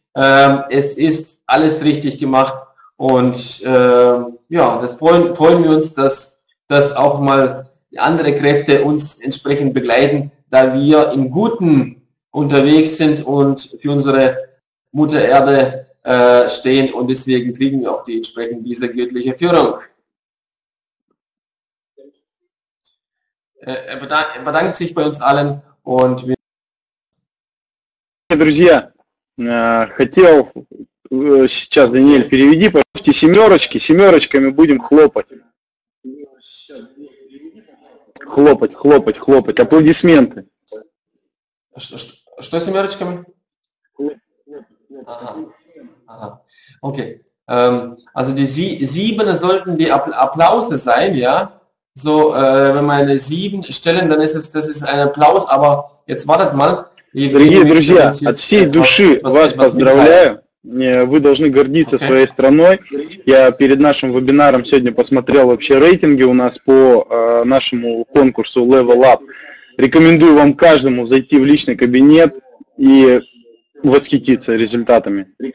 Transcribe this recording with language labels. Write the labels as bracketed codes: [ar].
[de] Es ist alles richtig gemacht und ja, das freuen wir uns, dass auch mal andere Kräfte uns entsprechend begleiten, da wir im Guten unterwegs sind und für unsere Mutter Erde stehen und deswegen kriegen wir auch entsprechend diese göttliche Führung. Er bedankt sich bei uns allen und wir. [ru] Друзья, хотел сейчас, Даниэль, переведи, пожалуйста, семерочками будем хлопать, аплодисменты. Что семерочками? Ага. Окей. [de] Also die sieben sollten die Applause sein, ja? So, wenn wir eine sieben stellen, dann ist es, das ist ein Applaus, aber jetzt wartet mal. [ru] Дорогие друзья, от всей души вас поздравляю. Вы должны гордиться своей страной. Я перед нашим вебинаром сегодня посмотрел вообще рейтинги у нас по нашему конкурсу Level Up. Рекомендую вам каждому зайти в личный кабинет и восхититься результатами.